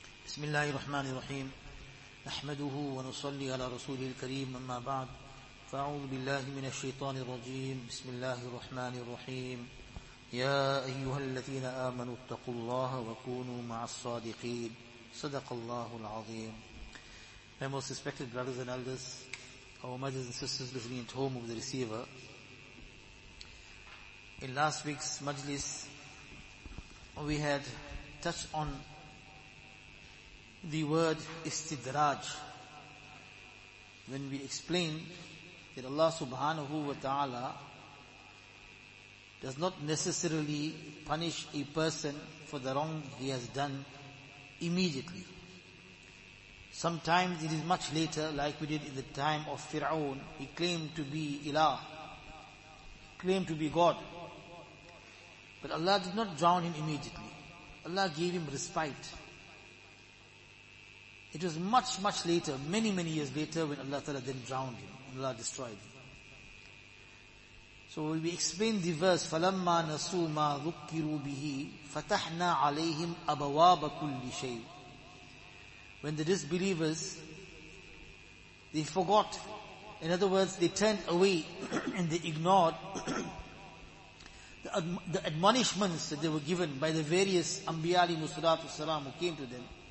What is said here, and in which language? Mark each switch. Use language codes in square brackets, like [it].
[ar] بسم الله الرحمن الرحيم نحمده ونصلي على رسوله الكريم أما بعد فأعوذ بالله من الشيطان الرجيم بسم الله الرحمن الرحيم يا أيها الذين آمنوا اتقوا الله وكونوا مع الصادقين صدق الله العظيم. [en] My most respected brothers and elders, our mothers and sisters listening at home of the receiver, in last week's majlis we had touched on the word istidraj, when we explain that Allah subhanahu wa ta'ala does not necessarily punish a person for the wrong he has done immediately. Sometimes it is much later, like we did in the time of Fir'aun. He claimed to be ilah, claimed to be God, but Allah did not drown him immediately. Allah gave him respite. It was much, much later, many, many years later, when Allah Ta'ala then drowned him, and Allah destroyed him. So we explain the verse, [ar] فَلَمَّا نَسُوا مَا ذُكِّرُوا بِهِ فَتَحْنَا عَلَيْهِمْ أَبَوَابَ كُلِّ شَيْءٍ. [en] When the disbelievers, they forgot, in other words, they turned away and they ignored the admonishments that they were given by the various Anbiya alayhi salatu wasalam who came to them.